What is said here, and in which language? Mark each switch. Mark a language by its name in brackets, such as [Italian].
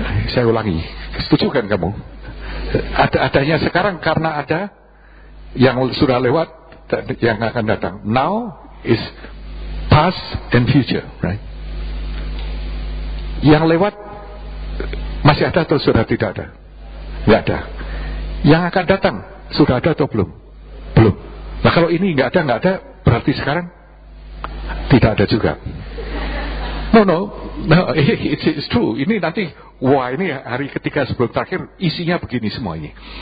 [Indonesian] Saya ulangi, setuju kan kamu? Adanya sekarang karena ada yang sudah lewat dan yang akan datang. [English] Now is past and future, right? [Indonesian] Yang lewat masih ada atau sudah tidak ada? Tidak ada. Yang akan datang sudah ada atau belum? Belum. Nah kalau ini tidak ada, berarti sekarang tidak ada juga. [English] No, it's true. [Indonesian] Ini nanti, wah ini hari ketiga sebelum terakhir, isinya begini semuanya.